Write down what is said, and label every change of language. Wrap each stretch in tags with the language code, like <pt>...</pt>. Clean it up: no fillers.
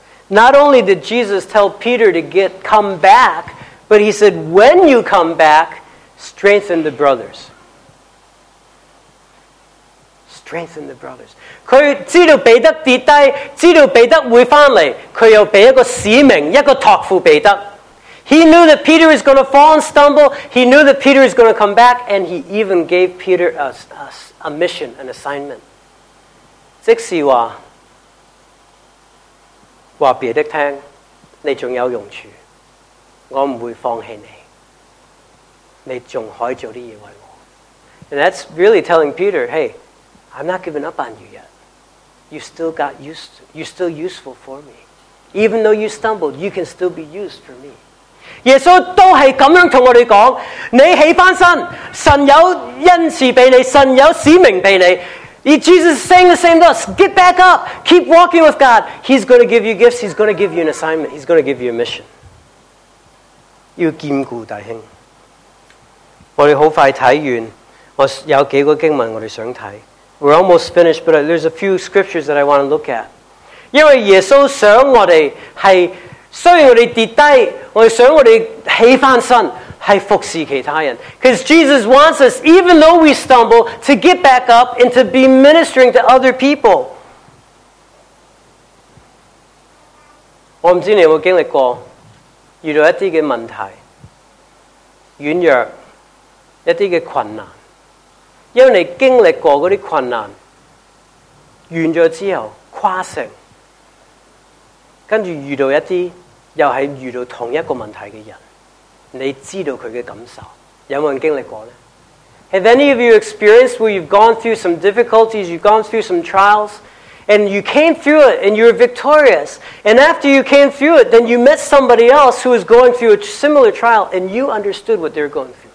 <en>Not only did Jesus tell Peter to come back, but he said, when you come back, strengthen the brothers. Strengthen the brothers.</en> <zh>他知道彼得跌低，知道彼得会回来，他又给一个使命，一个托付彼得。</zh> <en>He knew that Peter is going to fall and stumble. He knew that Peter is going to come back, and he even gave Peter a mission, an assignment.</en> <zh>即是话，话别的听，你仲有用处，我唔会放弃你，你仲可以做啲嘢为我。</zh> <en>And that's really telling Peter, hey, I'm not giving up on you yet. You still got used, you're still useful for me. Even though you stumbled, you can still be used for me.</en> <zh>耶稣都系咁样同我哋讲，你起翻身，神有恩赐俾你，神有使命俾你。</zh> <en>Jesus is saying the same to us. Get back up. Keep walking with God. He's going to give you gifts. He's going to give you an assignment. He's going to give you a mission.</en> <zh>要坚固弟兄。我们很快看完，我有几个经文我们想看。</zh> <en>We're almost finished, but there's a few scriptures that I want to look at.</en> <zh>因为耶稣想我们是，虽然我们跌低，我们想我们起翻身。是服侍其他人。</zh> <en>Because Jesus wants us, even though we stumble, to get back up and to be ministering to other people.</en> <zh>我不知道你有没有经历过遇到一些的问题、软弱、一些的困难。因为你经历过那些困难，完了之后跨城，跟着遇到一些又是遇到同一个问题的人。你知道他的感受，有没有人经历过呢？</zh> <en>Have any of you experienced where you've gone through some difficulties, you've gone through some trials, and you came through it and you were victorious, and after you came through it, then you met somebody else who was going through a similar trial, and you understood what they were going through?</en>